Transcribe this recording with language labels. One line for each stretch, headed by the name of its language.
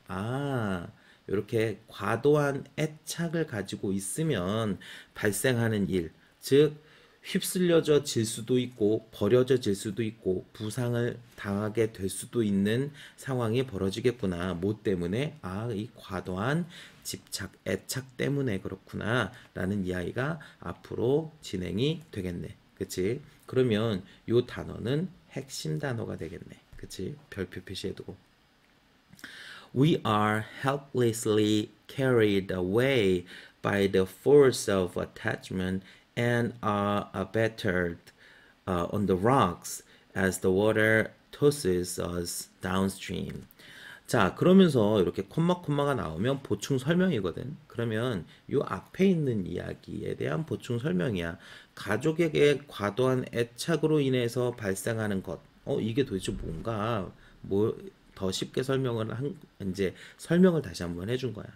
Korean: 아, 이렇게 과도한 애착을 가지고 있으면 발생하는 일, 즉, 휩쓸려져 질 수도 있고, 버려져 질 수도 있고, 부상을 당하게 될 수도 있는 상황이 벌어지겠구나. 뭐 때문에? 아, 이 과도한 집착, 애착 때문에 그렇구나. 라는 이야기가 앞으로 진행이 되겠네. 그치? 그러면 요 단어는 핵심 단어가 되겠네. 그치? 별표 표시해두고.
English: We are helplessly carried away by the force of attachment and are battered on the rocks as the water tosses us downstream.
Korean: 자, 그러면서 이렇게 콤마가 나오면 보충 설명이거든. 그러면 이 앞에 있는 이야기에 대한 보충 설명이야. 가족에게 과도한 애착으로 인해서 발생하는 것. 이게 도대체 뭔가? 뭐더 쉽게 이제 설명을 다시 한번 해준 거야.